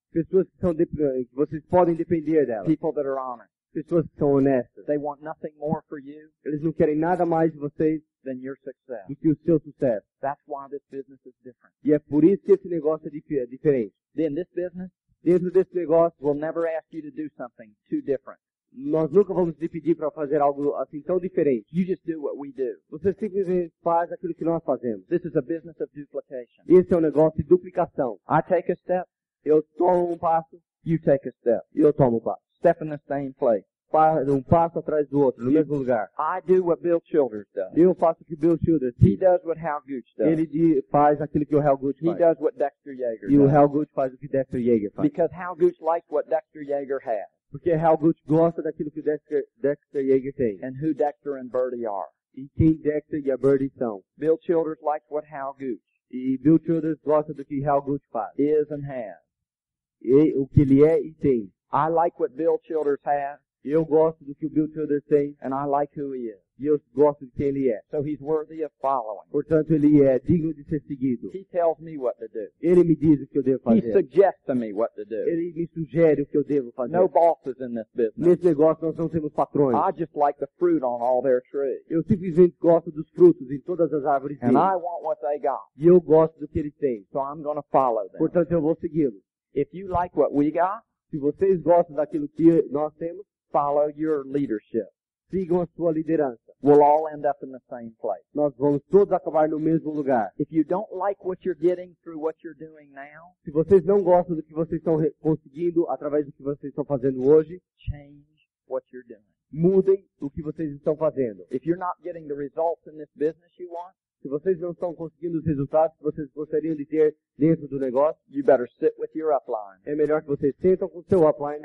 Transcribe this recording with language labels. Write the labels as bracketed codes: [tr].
[pt] Pessoas que vocês podem depender delas. [en] People that are honest. [pt] Pessoas que são honestas. [en] They want nothing more for you. [pt] Eles não querem nada mais de vocês. [en] Than your success. [pt] Do que o seu sucesso. [en] That's why this business is different. [pt] E é por isso que esse negócio é diferente. [en] Then this business. [pt] Dentro desse negócio. [en] Will never ask you to do something too different. [pt] Nós nunca vamos te pedir para fazer algo assim tão diferente. [en] You just do what we do. [pt] Você simplesmente faz aquilo que nós fazemos. [en] This is a business of duplication. [pt] Esse é um negócio de duplicação. [en] I take a step. [pt] Eu tomo um passo. [en] You take a step. [pt] Eu tomo um passo. [en] Step in the same place. [pt] Passo atrás do outro, no mesmo lugar. [en] I do what Bill Childers does. [pt] Eu faço o que Bill Childers [en] he does what Hal Gooch does. [pt] Ele faz aquilo que o Hal Gooch faz. [en] He does what Dexter Yeager [pt] does. E o Hal Gooch faz o que Dexter Yeager faz. [en] Because Hal Gooch likes what Dexter Yeager has. [pt] Porque Hal Gooch gosta daquilo que Dexter Yeager tem. [en] And who Dexter and Bertie are. [pt] E quem Dexter e a Bertie são. [en] Bill Childers likes what Hal Gooch. [pt] E Bill Childers gosta do que Hal Gooch faz. [en] Is and has. [pt] E o que ele é e tem. [en] I like what Bill Childers has. [pt] Eu gosto do que o Bill Childers tem. [en] And I like who he is. [pt] E eu gosto de quem ele é. [en] So he's worthy of following. [pt] Portanto, ele é digno de ser seguido. [en] He tells me what to do. [pt] Ele me diz o que eu devo fazer. [en] He suggests to me what to do. [pt] Ele me sugere o que eu devo fazer. [en] No bosses in this business. [pt] Nesse negócio, nós não temos patrões. [en] I just like the fruit on all their trees. [pt] Eu simplesmente gosto dos frutos em todas as árvores deles. [en] And I want what they got. [pt] E eu gosto do que eles têm. [en] So I'm going to follow them. [pt] Portanto, eu vou segui-los. [en] If you like what we got, [pt] se vocês gostam daquilo que nós temos, [en] follow your leadership. [pt] Sigam a sua liderança. [en] We'll all end up in the same place. [pt] Nós vamos todos acabar no mesmo lugar. [en] If you don't like what you're getting through what you're doing now, [pt] se vocês não gostam do que vocês estão conseguindo através do que vocês estão fazendo hoje, [en] change what you're doing. [pt] Mudem o que vocês estão fazendo. [en] If you're not getting the results in this business you want, [pt] se vocês não estão conseguindo os resultados que vocês gostariam de ter dentro do negócio, [en] you better sit with your upline. [pt] É melhor que vocês sentam com o seu upline